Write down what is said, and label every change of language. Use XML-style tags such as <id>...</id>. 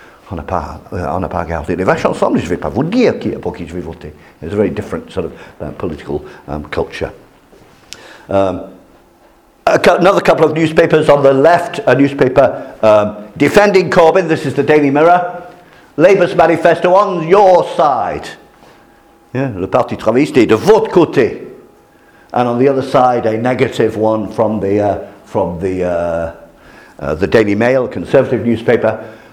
<fr>On a pas gardé les vaches ensemble, je vais pas vous dire qui pour qui je vais voter.</fr> <en>It's a very different sort of political culture. Another couple of newspapers on the left, a newspaper defending Corbyn. This is the Daily Mirror. Labour's manifesto on your side.</en> <fr>Yeah, le Parti Travailliste est de votre côté.</fr> <en>And on the other side, a negative one from the Daily Mail, conservative newspaper.</en>